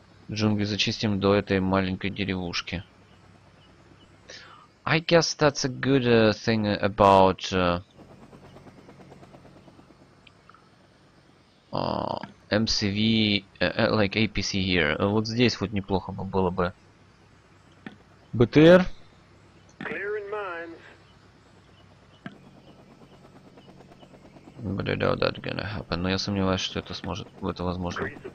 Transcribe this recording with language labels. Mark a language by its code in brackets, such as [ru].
[ru] Джунгли зачистим до этой маленькой деревушки. [en] I guess that's a good thing about MCV, like APC here. [ru] Вот здесь вот неплохо бы было бы. БТР. [en] Clearing mines. But I doubt that's gonna happen. [ru] Но я сомневаюсь, что это сможет, это возможно.